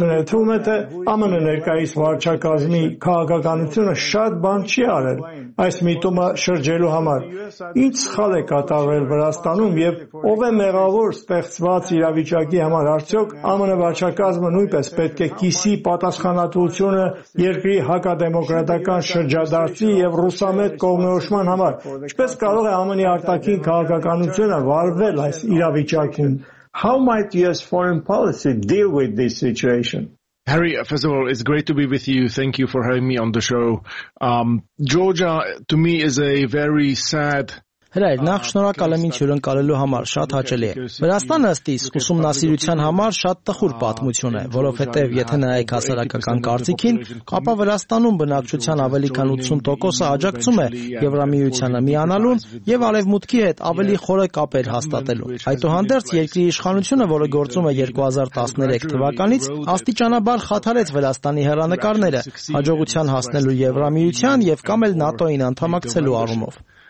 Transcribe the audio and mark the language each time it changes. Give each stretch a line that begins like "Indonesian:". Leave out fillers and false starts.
Armenian: Թվում է, թե ԱՄՆ ներկայիս վարչակազմի քաղաքականությունը շատ բան չի արել այս միտումը շրջելու համար։ Ինչ սխալ է կատարվել Վրաստանում և ով է մեղավոր ստեղծված իրավիճակի համար, արդյոք ԱՄՆ վարչակազմը նույնպես պետք է կիսի պատասխանատվությունը երկրի հակադեմոկրատական շրջադարձի և ռուսամետ կողմնորոշման համար։ Ինչպես կարող է ԱՄՆ-ի արտաքին քաղաքականությունը վարվել այս իրավիճակին։
English: How might US foreign policy deal with this situation? Harry, first of all, it's great to be with you. Thank you for having me on the show. Georgia, to me, is a very sad...
Armenian: Հրայ, նախ շնորհակալ եմ ինձ հյուրընկալելու համար, շատ հաճելի է։ Վրաստանը ըստ իս ուսումնասիրության համար շատ տխուր պատմություն է, որովհետև եթե նայեք հասարակական կարծիքին, ապա Վրաստանում բնակչության ավելի քան 80%-ը աջակցում է Եվրամիությանը միանալուն և արևմուտքի հետ ավելի խորը կապեր հաստատելու։ Այդուհանդերձ երկրի իշխանությունը, որը գործում է 2013 թվականից, աստիճանաբար խաթարեց Վրաստանի հեռանկարները հաջողության հասնելու Եվրամիության և կամ էլ ՆԱՏՕ-ին անդամակցելու առումով։